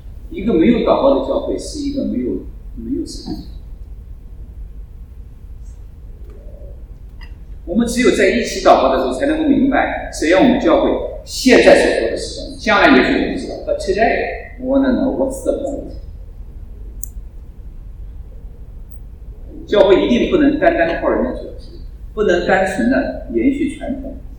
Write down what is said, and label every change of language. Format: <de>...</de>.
<zh>一个没有祷告的教会是一个没有神的。我们只有在一起祷告的时候，才能够明白神要我们教会现在所做的事情，将来也许我们知道。</zh> <en>But today, we want to know what's the point.</en> <zh>教会一定不能单单靠人的组织，不能单纯的延续传统。</zh>